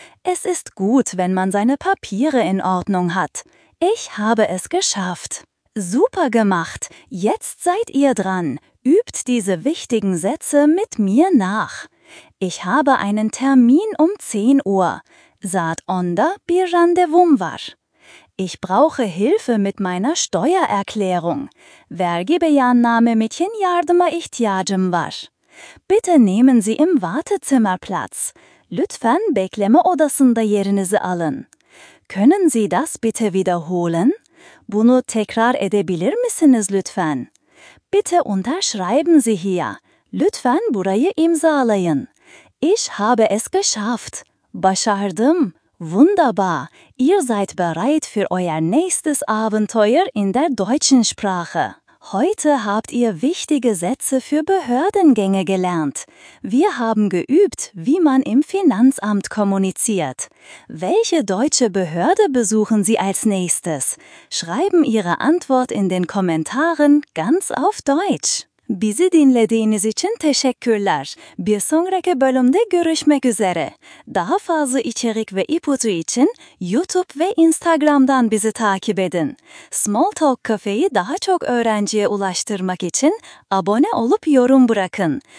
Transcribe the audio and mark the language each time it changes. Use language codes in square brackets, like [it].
[de] Es ist gut, wenn man seine Papiere in Ordnung hat. Ich habe es geschafft. Super gemacht. Jetzt seid ihr dran. Übt diese wichtigen Sätze mit mir nach. Ich habe einen Termin um 10 Uhr. [tr] Zat onda bir randevum var. [de] Ich brauche Hilfe mit meiner Steuererklärung. [tr] Vergi beyanname için yardıma ihtiyacım var. [de] Bitte nehmen Sie im Wartezimmer Platz. [tr] Lütfen bekleme odasında yerinizi alın. [de] Können Sie das bitte wiederholen? [tr] Bunu tekrar edebilir misiniz lütfen? [de] Bitte unterschreiben Sie hier. [tr] Lütfen burayı imzalayın. [de] Ich habe es geschafft. [tr] Başardım. [de] Wunderbar. Ihr seid bereit für euer nächstes Abenteuer in der deutschen Sprache. Heute habt ihr wichtige Sätze für Behördengänge gelernt. Wir haben geübt, wie man im Finanzamt kommuniziert. Welche deutsche Behörde besuchen Sie als nächstes? Schreiben Ihre Antwort in den Kommentaren ganz auf Deutsch. [tr] Bizi dinlediğiniz için teşekkürler. Bir sonraki bölümde görüşmek üzere. Daha fazla içerik ve ipucu için YouTube ve Instagram'dan bizi takip edin. Small Talk Cafe'yi daha çok öğrenciye ulaştırmak için abone olup yorum bırakın.